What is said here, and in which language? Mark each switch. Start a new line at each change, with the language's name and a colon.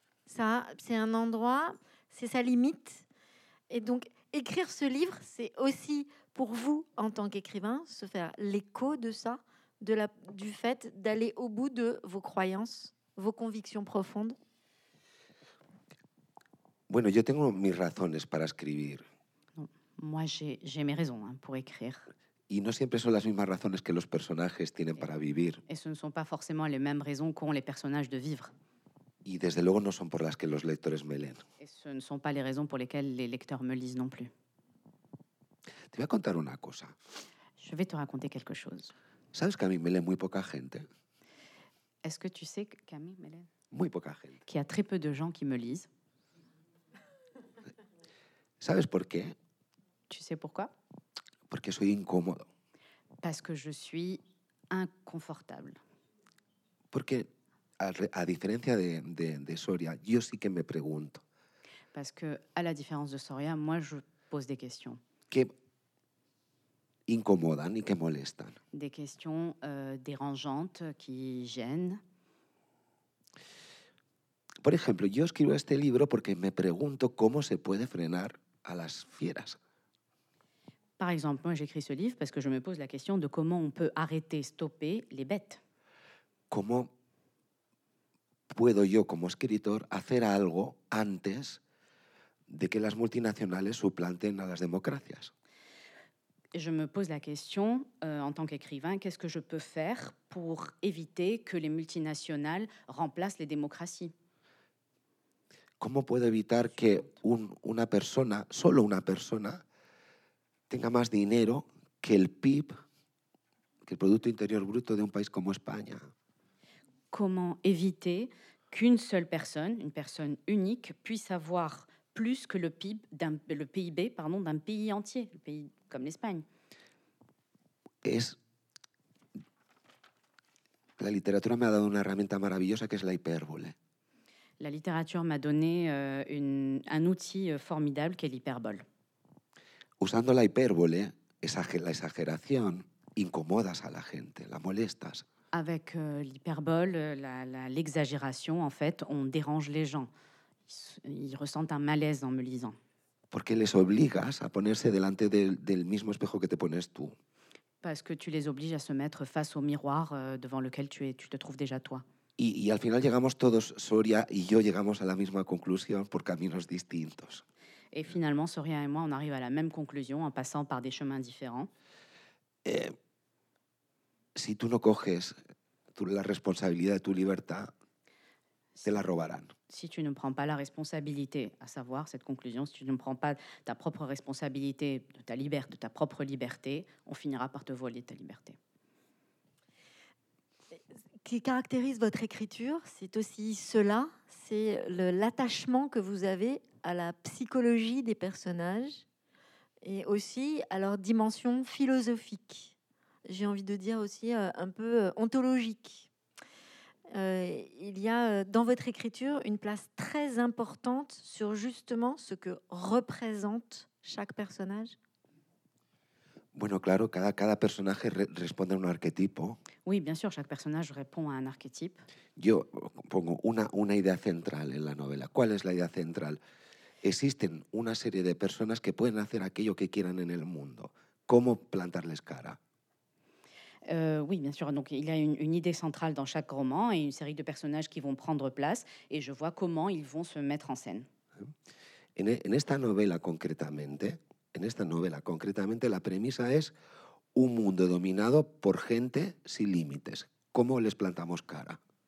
French: Ça, c'est un endroit, c'est sa limite. Et donc, écrire ce livre, c'est aussi pour vous, en tant qu'écrivain, se faire l'écho de ça, du fait d'aller au bout de vos croyances, vos convictions profondes.
Spanish: Bueno, yo tengo mis razones para escribir.
French: Moi, j'ai mes raisons hein, pour écrire.
Spanish: Y no siempre son las mismas razones que los personajes tienen para vivir.
French: Et ce ne sont pas forcément les mêmes raisons qu'ont les personnages de vivre.
Spanish: Y desde luego no son por las que los lectores me leen.
French: Et ce ne sont pas les raisons pour lesquelles les lecteurs me lisent non plus.
Spanish: Te voy a contar una cosa.
French: Je vais te raconter quelque chose.
Spanish: ¿Sabes que a mí me lee muy poca gente?
French: Est-ce que tu sais que
Spanish: a mí me lee? Muy poca gente.
French: Qu'il y a très peu de gens qui me lisent.
Spanish: ¿Sabes por qué?
French: Tu sais pourquoi?
Spanish: Porque soy incómodo.
French: Parce que je suis inconfortable.
Spanish: Porque a diferencia de Soria, yo sí que me pregunto.
French: Parce que à la différence de Soria, moi je pose des questions.
Spanish: Que incomodan y que molestan.
French: Des questions dérangeantes qui gênent.
Spanish: Por ejemplo, yo escribo este libro porque me pregunto cómo se puede frenar a las fieras.
French: Par exemple, moi j'écris ce livre parce que je me pose la question de comment on peut arrêter, stopper les bêtes.
Spanish: Comment puedo yo como escritor hacer algo antes de que las multinacionales suplanten a las democracias?
French: Je me pose la question en tant qu'écrivain, qu'est-ce que je peux faire pour éviter que les multinationales remplacent les démocraties?
Spanish: ¿Cómo puedo evitar que una persona, solo una persona, tenga más dinero que el PIB, que el Producto Interior Bruto de un país como España? ¿Cómo evitar que una persona única, pueda tener más que el PIB de un país entero, un país como España? Es... La literatura me ha dado una herramienta maravillosa que es la hipérbole. La literatura me ha dado un
French: outil formidable
Spanish: que es la hipérbole. Usando la hipérbole, la exageración, incomodas a la gente, la molestas.
French: Avec l'hyperbole, l'exagération, en fait, on dérange les gens. Ils ressentent un malaise en me lisant.
Spanish: Porque les obligas a ponerse delante del mismo espejo que te pones tú.
French: Parce que tu les obliges à se mettre face au miroir devant lequel tu te trouves déjà toi.
Spanish: Y al final llegamos todos, Soria y yo, llegamos a la misma conclusión por caminos distintos.
French: Et finalement, Soria et moi, on arrive à la même conclusion en passant par des chemins différents.
Spanish: Si tu no coges la responsabilidad de tu libertad, te la robarán.
French: Si tu ne prends pas la responsabilité, à savoir cette conclusion, si tu ne prends pas ta propre responsabilité de ta propre liberté, on finira par te voler ta liberté. Ce qui caractérise votre écriture, c'est aussi cela, c'est l'attachement que vous avez à la psychologie des personnages et aussi à leur dimension philosophique. J'ai envie de dire aussi un peu ontologique. Il y a dans votre écriture une place très importante sur justement ce que représente chaque personnage.
Spanish: Bueno, claro, cada personaje responde a un arquetipo.
French: Oui, bien sûr, chaque personnage répond à un archétype.
Spanish: Yo pongo una idea central en la novela. ¿Cuál es la idea central? existen una serie de personas que pueden hacer aquello que quieran en el mundo. ¿Cómo plantarles cara?
French: Oui, bien sûr. Donc, il y a une idée centrale dans chaque roman et une série de personnages qui vont prendre place et je vois comment ils vont se mettre en scène.
Spanish: En esta novela concretamente, la premisa es un mundo dominado por gente sin límites. ¿Cómo les plantamos cara?